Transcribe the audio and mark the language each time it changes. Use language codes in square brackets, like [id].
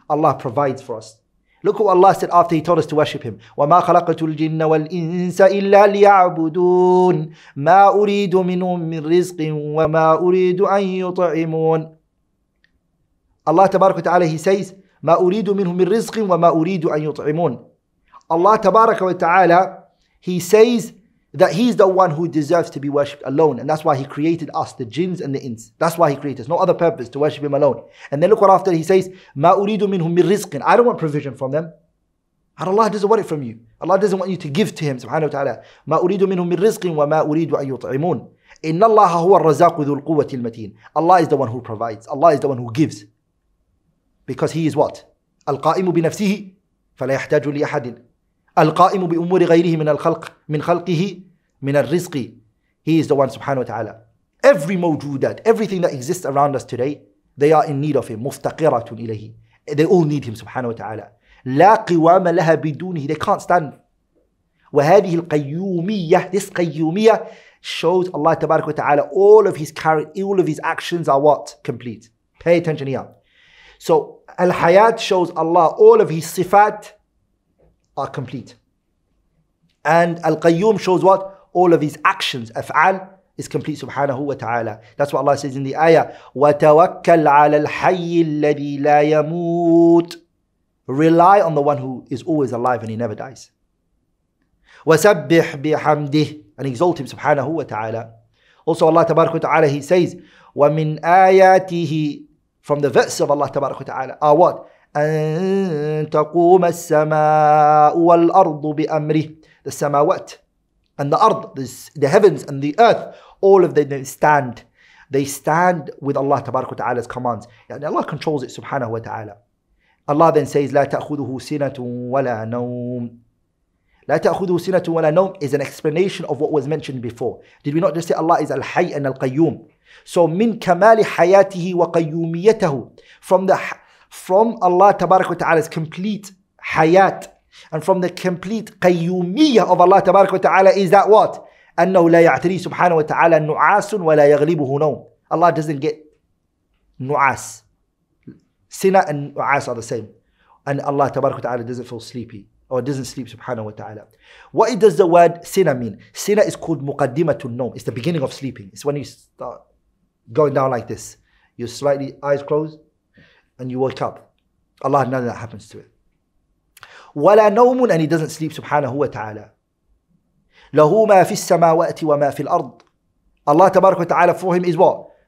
[en] Allah provides for us. Look what Allah said after He told us to worship Him. [ar] وما خلقت الجن والإنس إلا ليعبدون ما أريد منهم من رزق وما أريد أن يطعمون. Allah تبارك وتعالى, [en] He says [ar] ما أريد منهم من رزق وما أريد أن يطعمون. [en] Allah [ar] تبارك وتعالى, [en] He says that He's the one who deserves to be worshipped alone, and that's why He created us, the jinns and the ins. That's why He created us. No other purpose to worship Him alone. And then look what after He says, [ar] ما أريد منهم من رزق. [en] I don't want provision from them. And Allah doesn't want it from you. Allah doesn't want you to give to Him. [ar] سبحانه وتعالى. ما أريد منهم من رزق وما أريد أن يطعمون. إن الله هو الرزاق ذو القوة المتين. [en] Allah is the one who provides. Allah is the one who gives. Because He is what? [ar] القائم بنفسه فلا يحتاج لأحد. القائم بأمور غيره من الخلق من خلقه من الرزق. [en] He is the one [ar] سبحانه وتعالى. [en] Every موجودات, everything that exists around us today, they are in need of Him. [ar] مفتقرة إليه. [en] They all need Him [ar] سبحانه وتعالى. لا قوام لها بدونه. [en] They can't stand. [ar] وهذه القيومية, [en] this قيومية shows Allah [ar] تبارك وتعالى [en] all of His character, all of His actions are what? Complete. Pay attention here. So al-hayat shows Allah, all of His sifat are complete. And al-qayyum shows what? All of His actions, af'al, is complete, subhanahu wa ta'ala. That's what Allah says in the ayah, [ar] وَتَوَكَّلْ عَلَى الْحَيِّ الَّذِي لَا يَمُوتِ. [en] Rely on the one who is always alive and He never dies. [ar] وَسَبِّحْ بِحَمْدِهِ, [en] and exalt Him, subhanahu wa ta'ala. Also Allah, tabarak wa ta'ala, He says, [ar] وَمِنْ آيَاتِهِ, [en] from the verse of Allah tabarak wa ta'ala, are what? [ar] أن تقوم السماء والأرض بأمره. [en] The samawat and the ard, the heavens and the earth, all of them stand. They stand with Allah tabarak wa ta'ala's commands. Yani Allah controls it subhanahu wa ta'ala. Allah then says, [ar] لا تأخذه سنة ولا نوم. لا تأخذه سنة ولا نوم [en] is an explanation of what was mentioned before. Did we not just say Allah is al-hayy and al-qayyum? So [ar] من كمال حياته وقيوميته, [en] from Allah تبارك وتعالى's complete حيات and from the complete قيومية of Allah [ar] تبارك وتعالى [en] is that what? [ar] أنه لا يعتري سبحانه وتعالى نعاس ولا يغلبه نوم. [en] Allah doesn't get نعاس. سنة and نعاس are the same. And Allah [ar] تبارك وتعالى [en] doesn't feel sleepy or doesn't sleep [ar] سبحانه وتعالى. [en] What does the word سنة mean? [ar] سنة [en] is called [ar] مقدمة النوم. [en] It's the beginning of sleeping. It's when you start going down like this, you slightly eyes closed and you wake up. Allah, none of that happens to it. [ar] وَلَا نَوْمٌ, [en] and He doesn't sleep, subhanahu wa ta'ala. [ar] لَهُ مَا فِي السَّمَاوَاتِ وَمَا فِي الْأَرْضِ. [en] Allah tabarak wa ta'ala, for Him is what?